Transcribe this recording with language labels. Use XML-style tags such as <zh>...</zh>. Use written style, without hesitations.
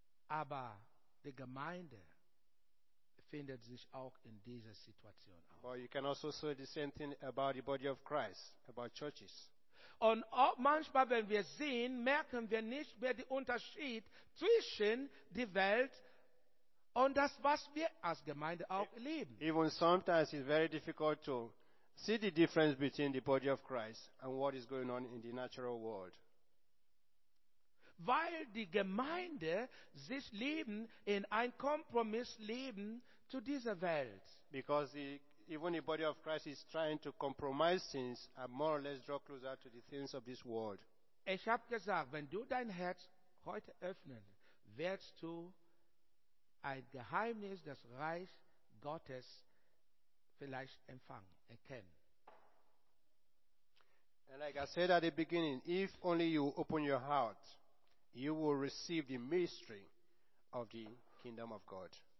<de>Aber die Gemeinde findet sich auch in dieser Situation auch.</de> <en>Well, you can also say the same thing about the body of Christ, about churches.</en> <de>Und auch manchmal, wenn wir sehen, merken wir nicht mehr den Unterschied zwischen der Welt und das, was wir als Gemeinde auch leben.</de> <en>Even sometimes it's very difficult to see the difference between the body of Christ and what is going on in the natural world.</en> <de>Weil die Gemeinde sich leben in ein Kompromissleben zu dieser Welt.</de> <en>Because even the body of Christ is trying to compromise things and more or less draw closer to the things of this world.</en> <de>Ich habe gesagt, wenn du dein Herz heute öffnest, wirst du ein Geheimnis des Reich Gottes vielleicht empfangen, erkennen.</de> <en>And like I said at the beginning, if only you open your heart, you will receive the mystery of the kingdom of God.</en>